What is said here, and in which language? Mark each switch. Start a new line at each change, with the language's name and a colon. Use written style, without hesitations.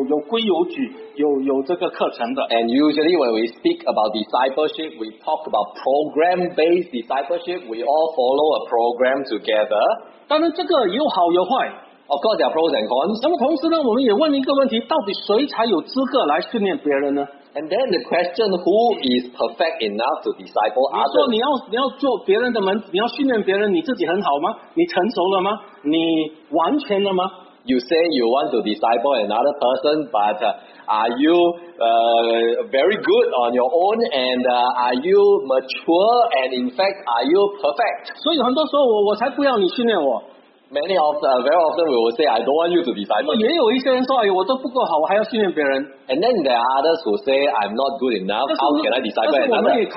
Chinese: 那么很多时候当我们讲到门徒训练的时候，我们都是通常讲到一种形式化的门徒训练，有规有矩，有这个课程的。
English: And usually when we speak about discipleship, we talk about program-based discipleship. We all follow a program together.
Chinese: 当然这个有好有坏。
English: Of course, there are pros and cons.
Chinese: 那么同时呢，我们也问一个问题：到底谁才有资格来训练别人呢？
English: And then the question, who is perfect enough to disciple others?
Chinese: 你说你要做别人的门，你要训练别人，你自己很好吗？你成熟了吗？你完全了吗？
English: You say you want to disciple another person, but are you very good on your own? And are you mature? And in fact, are you perfect?
Chinese: 所以很多时候我才不要你训练我。
English: Many of the, very often we will say, I don't want you to disciple.
Chinese: 也有一些人说，哎，我都不够好，我还要训练别人。
English: And then there are others who say, I'm not good enough. How can I disciple another?